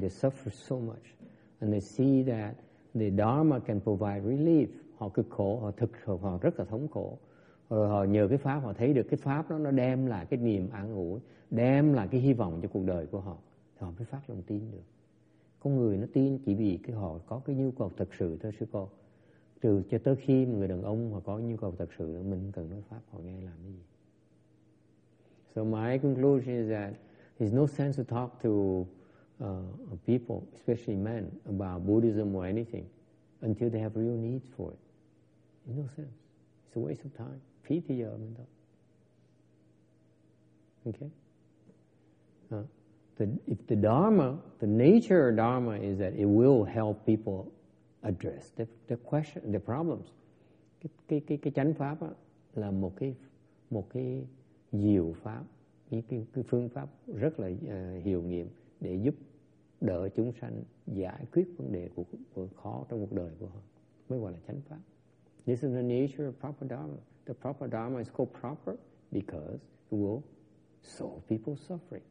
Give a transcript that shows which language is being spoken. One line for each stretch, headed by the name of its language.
English: They suffer so much, and they see that the Dharma can provide relief.
Vietnamese: Họ cứ khổ, họ thực sự họ rất là thống khổ. Rồi họ nhờ cái pháp, họ thấy được cái pháp đó, nó đem lại cái niềm an ủi, đem lại cái hy vọng cho cuộc đời của họ, thì họ mới phát lòng tin được. Con người nó tin chỉ vì cái họ có cái nhu cầu thật sự thôi, sư cô. Trừ cho tới khi mà người đàn ông mà có nhu cầu thật sự, mình cần nói pháp, họ nghe làm cái gì.
English: So my conclusion is that there's no sense to talk to people, especially men, about Buddhism or anything until they have real needs for it. There's no sense. It's a waste of time. Pity of it. Okay? If the Dharma, the nature of Dharma is that it will help people address the question, the problems.
Vietnamese: Cái chánh pháp á, là một cái diệu pháp, cái phương pháp rất là hiệu nghiệm để giúp đỡ chúng sanh giải quyết vấn đề của khó trong cuộc đời của họ. Mới gọi là chánh pháp.
English: This is the nature of proper Dharma. The proper Dharma is called proper because it will solve people's suffering.